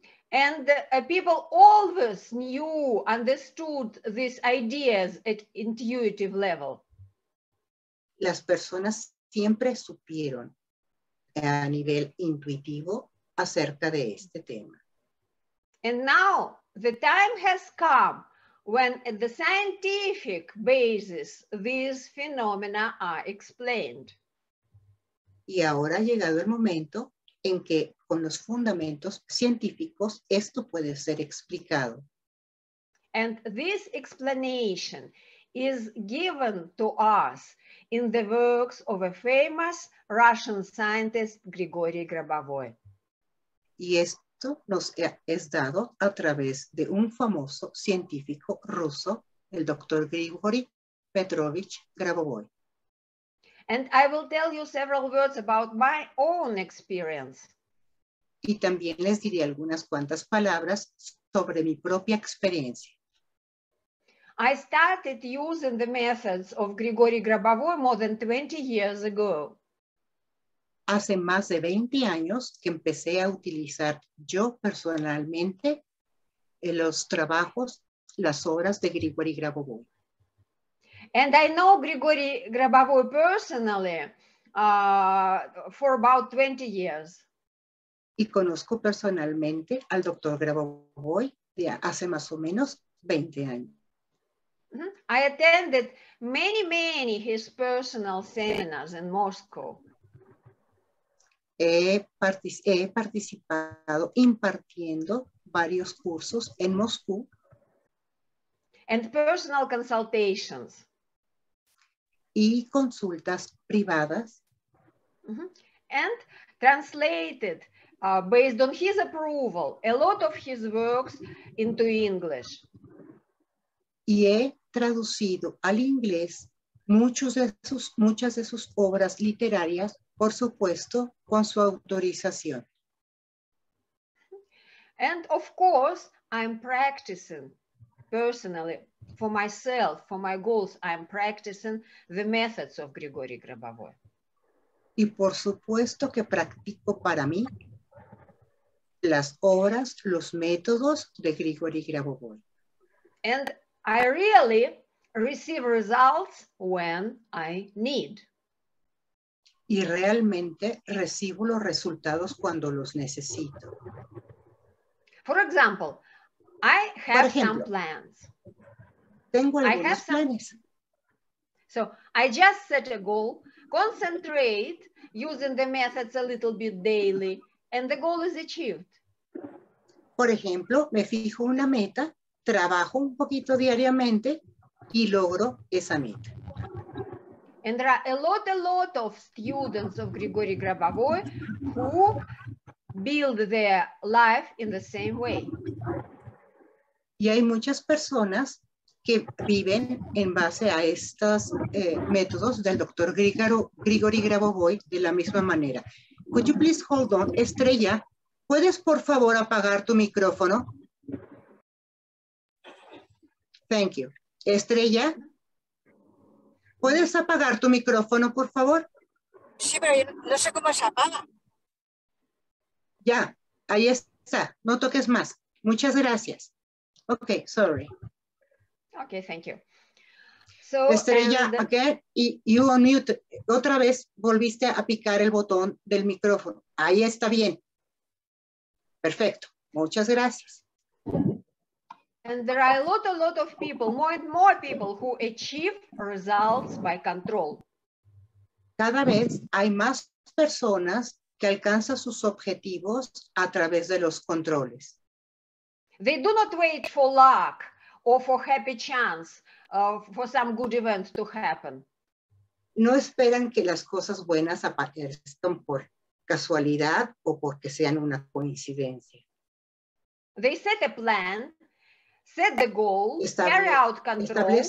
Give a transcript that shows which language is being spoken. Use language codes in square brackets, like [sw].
[en] And people always knew, understood these ideas at intuitive level. [es] Las personas siempre supieron a nivel intuitivo acerca de este tema. [en] And now the time has come when at the scientific basis these phenomena are explained. [es] Y ahora ha llegado el momento en que con los fundamentos científicos esto puede ser explicado. [en] And this explanation is given to us in the works of a famous Russian scientist, Grigori Grabovoi. [es] Y esto nos es dado a través de un famoso científico ruso, el doctor Grigori Petrovich Grabovoi. [en] And I will tell you several words about my own experience. [es] Y también les diré algunas cuantas palabras sobre mi propia experiencia. [en] I started using the methods of Grigori Grabovoi more than 20 years ago. [es] Hace más de 20 años que empecé a utilizar yo personalmente los trabajos, las obras de Grigori Grabovoi. [en] And I know Grigori Grabovoi personally for about 20 years. [es] Y conozco personalmente al Dr. Grabovoi de hace más o menos 20 años. [en] I attended many, many his personal seminars in Moscow. [es] He participado impartiendo varios cursos en Moscú. [en] And personal consultations. [es] Y consultas privadas. [en] And translated, based on his approval, a lot of his works into English. [es] Y he traducido al inglés muchas de sus obras literarias, por supuesto, con su autorización. [en] And of course, I'm practicing personally, for myself, for my goals, I'm practicing the methods of Grigori Grabovoi. [es] Y por supuesto que practico para mí las obras, los métodos de Grigori Grabovoi. [en] And I really receive results when I need. [es] Y realmente recibo los resultados cuando los necesito. [en] For example, I have some plans. [es] Tengo algunos planes. [en] So I just set a goal, concentrate using the methods a little bit daily, and the goal is achieved. [es] Por ejemplo, me fijo una meta, trabajo un poquito diariamente y logro esa meta. [en] And there are a lot of students of Grigori Grabovoi who build their life in the same way. [es] Y hay muchas personas que viven en base a estos métodos del Dr. [en] Grigori Grabovoi [es] de la misma manera. [en] Could you please hold on, Estrella? [es] ¿Puedes, por favor, apagar tu micrófono? [en] Thank you. [es] Estrella, ¿puedes apagar tu micrófono, por favor? Sí, pero yo no sé cómo se apaga. Ya, ahí está. No toques más. Muchas gracias. [en] Okay, sorry. Okay, thank you. So, Estrella, again, you unmute. [es] Otra vez volviste a picar el botón del micrófono. Ahí está bien. Perfecto. Muchas gracias. [en] And there are a lot of people, more and more people, who achieve results by control. [es] Cada vez hay más personas que alcanzan sus objetivos a través de los controles. [en] They do not wait for luck or for happy chance for some good event to happen. [es] No esperan que las cosas buenas aparezcan por casualidad o porque sean una coincidencia. [en] They set a plan, set the goal, carry out control.